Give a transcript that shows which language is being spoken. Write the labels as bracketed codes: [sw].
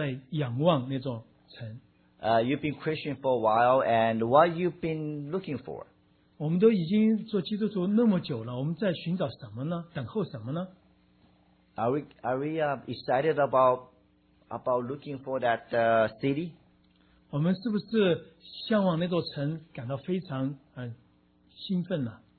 [zh] 有时候我自己在想，我们不知道在座有多少弟兄、多少人真正的在仰望那座城。 [en] You've been Christian for a while, and what you've been looking for? [zh] 我们都已经做基督徒那么久了，我们在寻找什么呢？等候什么呢？ [en] Are we excited about looking for that city? [zh] 我们是不是向往那座城感到非常兴奋呢？